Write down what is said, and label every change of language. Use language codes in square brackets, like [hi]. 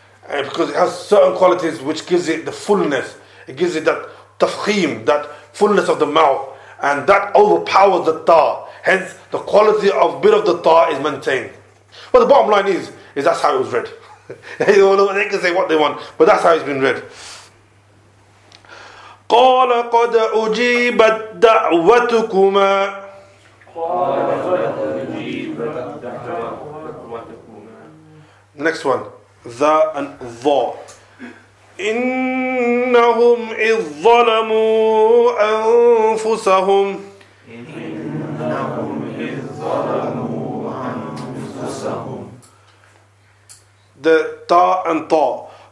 [en] And because it has certain qualities which gives it the fullness. It gives it that tafkheem, that fullness of the mouth. and that overpowers the ta. Hence, the quality of bit of the ta is maintained. But the bottom line is that's how it was read. They can say what they want, but that's how it's been read. [ar] قَالَ قَدْ أُجِيبَتْ دَعْوَتُكُمَا [en] Next one. The and the. [ar] إِنَّهُمْ إِذْ ظَلَمُوا أَنفُسَهُمْ [en] The ta and ta.